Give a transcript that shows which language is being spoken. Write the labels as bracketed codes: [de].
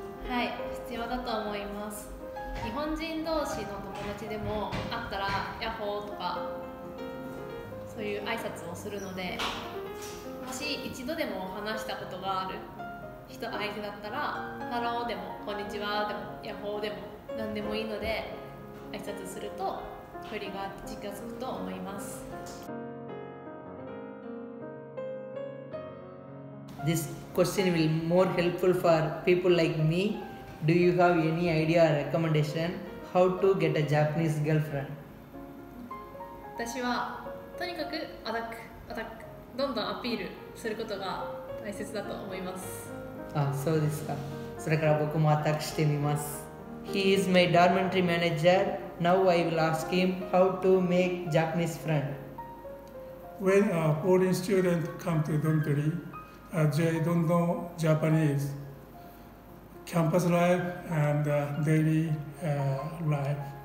[ja] はい、必要だと思います。日本人同士の友達でも会ったらヤッホーとか、そという挨拶をするので、もし一度でも話したことがある人相手だったら、ハローでもこんにちはでもヤッホーでも何でもいいので挨拶すると距離が近づくと思います。 [en] This question will be more helpful for people like me. Do you have any idea or recommendation how to get a Japanese girlfriend? [ja] 私はとにかくアタックアタック、どんどんアピールすることが大切だと思います。あ、そうですか。それから僕もアタックしてみます。 [en] He is my dormitory manager. Now I will ask him how to make Japanese friend. When a foreign student come to dormitory, they don't know Japanese. Campus life and daily life.